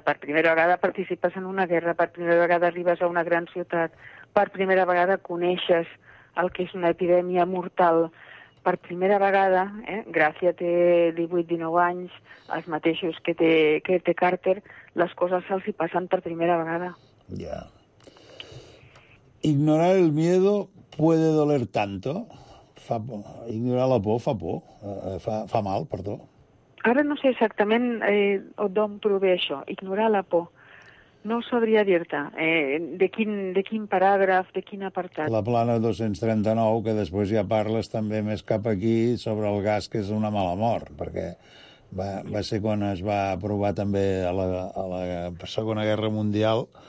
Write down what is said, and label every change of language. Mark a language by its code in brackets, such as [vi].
[ca] Per primera vegada participes en una guerra, per primera vegada arribes a una gran ciutat, per primera vegada coneixes el que és una epidèmia mortal. Per primera vegada, Gràcia té 18-19 anys, els mateixos que té Carter, les coses se'ls hi passen per primera vegada. Ja. Yeah. [es] Ignorar el miedo puede doler tanto... [ca] Fa por. Ignorar la por, fa mal, perdó. Ara no sé exactament d'on prové això, ignorar la por. No sabria dir-te de quin paràgraf, de quin apartat. La plana 239, que després ja parles també més cap aquí, sobre el gas, que és una mala mort, perquè va ser quan es va aprovar també a la Segona Guerra Mundial...